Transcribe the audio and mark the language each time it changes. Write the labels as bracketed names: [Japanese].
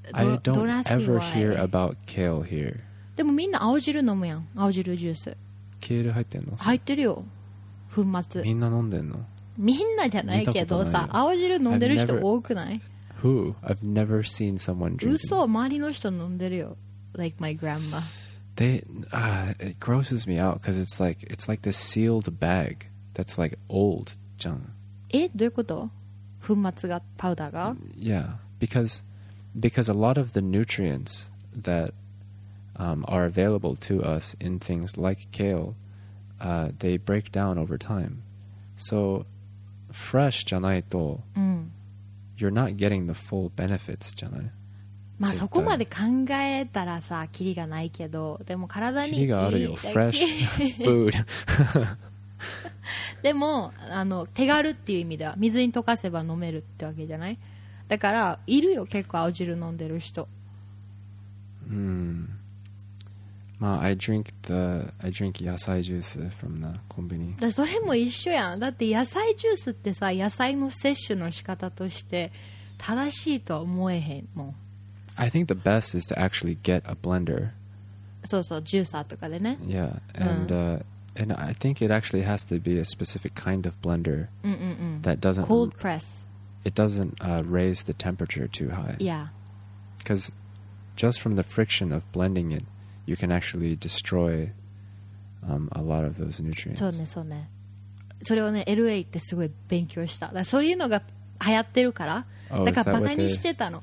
[English] I don't ever hear about kale here。 [Japanese] でもみんな青汁飲むやん、青汁ジュース。ケール入ってんの。入ってるよ、粉末。みんな飲んでんの。みんなじゃないけどさ、青汁飲んでる人多くない。 [English] I've never seen someone drink。 [Japanese] 嘘、周りの人飲んでるよ。 [English] Like my grandma they,、it grosses me out because it's like this sealed bag that's like old [Japanese] じゃん。え、どういうこと、粉末が、パウダーが。 [English] Yeah, because a lot of the nutrients thatare available to us in things like kale, they break down over time. So, fresh [Japanese] じゃないと、うん、 [English] you're not getting the full benefits [Japanese] じゃない。まあそこまで考えたらさ、キリがないけど、でも体にいい。キリがあるよ、 [English] fresh food。 [Japanese] でも、あの、手軽っていう意味では、水に溶かせば飲めるってわけじゃない。だから、いるよ、結構青汁飲んでる人。 [English] うん。まあ、I drink 野菜ジュース from the コンビニ。 [Japanese] だ、それも一緒やん。だって野菜ジュースってさ、野菜の摂取の仕方として正しいとは思えへんもん。 [English] I think the best is to actually get a blender。 [Japanese] そうそう、ジューサーとかでね。 [English] Yeah, and、うん、and I think it actually has to be a specific kind of blender、うんうんうん、 that doesn't cold press。 It doesn't、raise the temperature too high。 Yeah。 Because just from the friction of blending it。 You can actually destroy、a lot of those nutrients. [Japanese] そうね、そうね。それをね、LA ってすごい勉強した。だからそういうのが流行ってるから、だからバカにしてたの。